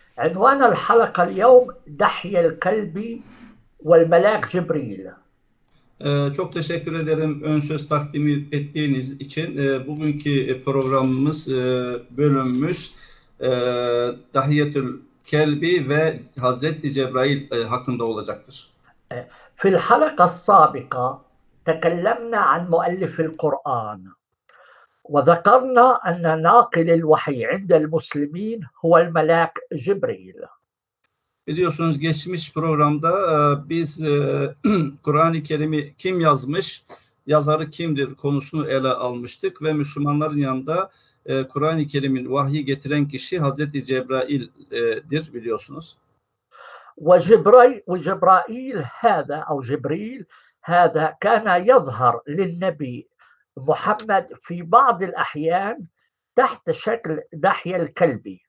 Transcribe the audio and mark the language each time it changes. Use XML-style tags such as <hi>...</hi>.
<ar>عنوان الحلقة اليوم دحية الكلب والملاك جبريل.</ar> <tr>Çok teşekkür ederim ön söz takdim ettiğiniz için. Bugünkü programımız, bölümümüz Dahiyetül Kelbi ve Hazreti Cebrail hakkında olacaktır.</tr> <ar>في الحلقة السابقة تكلمنا عن مؤلف القرآن وذكرنا أن ناقل الوحي عند المسلمين هو الملاك جبريل.</ar> <tr>Biliyorsunuz geçmiş programda biz Kur'an-ı Kerim'i kim yazmış, yazarı kimdir konusunu ele almıştık ve Müslümanların yanında Kur'an-ı Kerim'in vahyi getiren kişi Hazreti Cebrail'dir biliyorsunuz.</tr> <ar>وجبرائيل هذا أو جبريل هذا كان يظهر للنبي محمد في بعض الأحيان تحت شكل دحية الكلب.</ar>